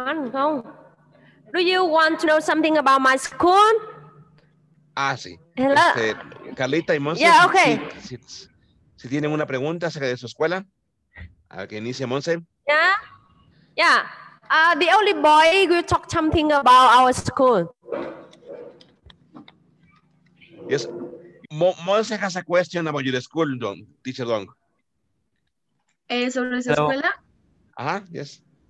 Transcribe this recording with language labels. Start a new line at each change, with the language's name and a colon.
English: Do you want to know something about my school?
Spanish: Ah, sí.
English: Hello.
Spanish: Carlita y Monse.
English: Yeah, okay.
Spanish: Si tienen una pregunta acerca de su escuela, a que inicie Monse.
English: Yeah. Yeah. The only boy will talk something about our school. Yes. Monse has a question about your school, Duong, teacher Duong.
Spanish: ¿Sobre su escuela?
English: Ajá, uh-huh, yes.